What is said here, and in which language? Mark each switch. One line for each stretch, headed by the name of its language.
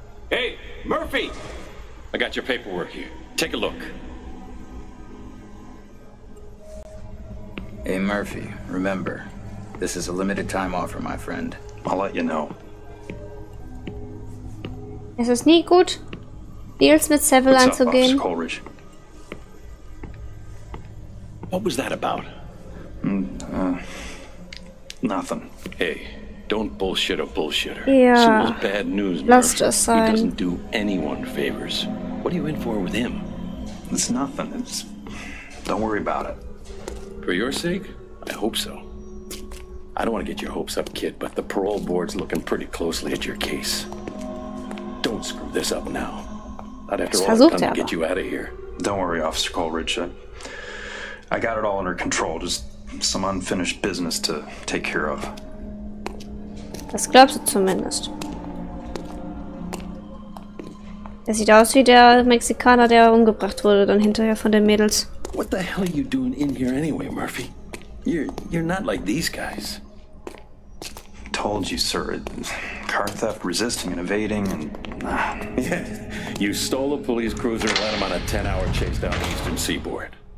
English: Hey, Murphy! I got your paperwork here. Take a look. Hey, Murphy, remember, this is a limited time offer, my friend. I'll let you know.
German: Es ist nie gut, Deals mit Seville anzugehen.
English: What's up, Officer Coleridge? What was that about? Nothing. Hey, don't bullshit a bullshitter. Yeah. Simple bad news, Murphy. He doesn't do anyone favors. What are you in for with him? It's nothing. It's... Don't worry about it. For your sake? I hope so. I don't want to get your hopes up, kid, but the parole board's looking pretty closely at your case. Don't screw this up now. Not after all I've done to get you out of here. Don't worry, Officer Coleridge. I got it all under control. Just some unfinished business to take care of.
German: Das glaubst du zumindest. Er sieht aus wie der Mexikaner, der umgebracht wurde, dann hinterher von den Mädels.
English: What the hell are you doing in here anyway, Murphy? You're not like these guys. Told you, sir. Car theft, resisting and evading, and... Yeah, you stole a police cruiser and led him on a 10-hour chase down the eastern seaboard.